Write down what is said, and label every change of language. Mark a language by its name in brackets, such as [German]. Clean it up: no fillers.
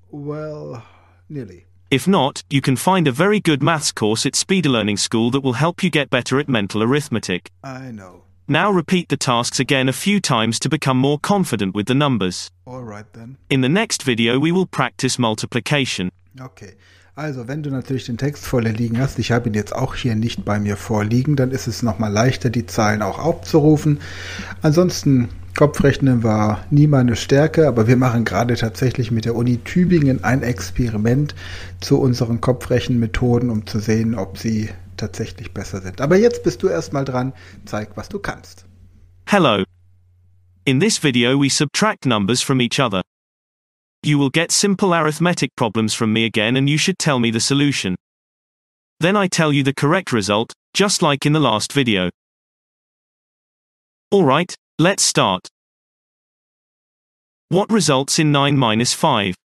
[English] Well, nearly. If not, you can find a very good maths course at Speedy Learning School that will help you get better at mental arithmetic. I know. Now repeat the tasks again a few times to become more confident with the numbers. All right then. In the next video we will practice multiplication. Okay. [German] Also, wenn du natürlich den Text vorliegen hast, ich habe ihn jetzt auch hier nicht bei mir vorliegen, dann ist es nochmal leichter, die Zahlen auch aufzurufen. Ansonsten, Kopfrechnen war nie meine Stärke, aber wir machen gerade tatsächlich mit der Uni Tübingen ein Experiment zu unseren Kopfrechenmethoden, um zu sehen, ob sie tatsächlich besser sind. Aber jetzt bist du erstmal dran, zeig, was du kannst. [English] Hello. In this video we subtract numbers from each other. You will get simple arithmetic problems from me again and you should tell me the solution. Then I tell you the correct result, just like in the last video. All right, let's start. What results in 9 minus 5?